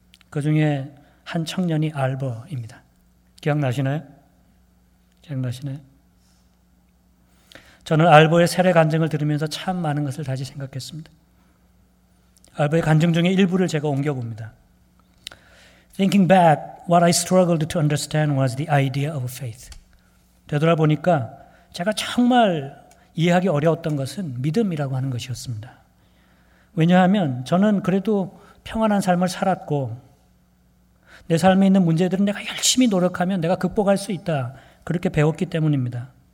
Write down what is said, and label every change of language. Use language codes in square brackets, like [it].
[ko] 그 중에 한 청년이 알버입니다. 기억나시나요? 기억나시나요? 저는 알버의 세례 간증을 들으면서 참 많은 것을 다시 생각했습니다. 알버의 간증 중에 일부를 제가 옮겨봅니다. [en] Thinking back, what I struggled to understand was the idea of faith. [ko] 되돌아보니까 제가 정말 이해하기 어려웠던 것은 믿음이라고 하는 것이었습니다. 왜냐하면 저는 그래도 평안한 삶을 살았고 내 삶에 있는 문제들은 내가 열심히 노력하면 내가 극복할 수 있다 그렇게 배웠기 때문입니다.